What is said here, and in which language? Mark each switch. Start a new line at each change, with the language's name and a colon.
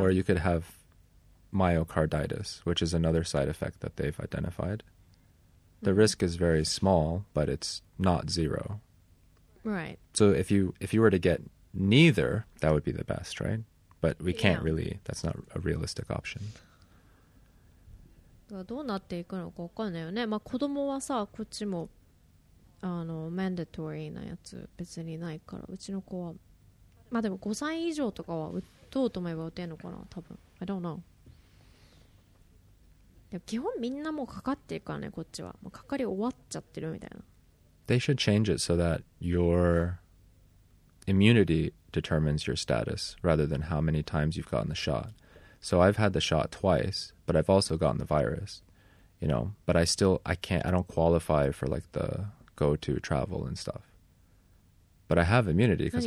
English: Or you could have myocarditis, which is another side effect that they've identified. The risk is very small, but it's not zero. Right. So if you were to get neither, that would be the best, right? But we can't really, that's not a realistic option.
Japanese: どうなっていくのかわかんないよね。まあ、子供はさ、こっちも。あのマンダトリーなやつ別にないから、うちの子はまあでも5歳以上とかは打とうと思えば打てるのかな、多分
English: I don't know。
Japanese: でも基本みんなもうかかってるからね、こっちはもうかかり終わっちゃってるみたいな。
English: They should change it so that your immunity determines your status rather than how many times you've gotten the shot. So I've had the shot twice, but I've also gotten the virus, you know, but I don't qualify for like theGo to travel and stuff, but I have immunity because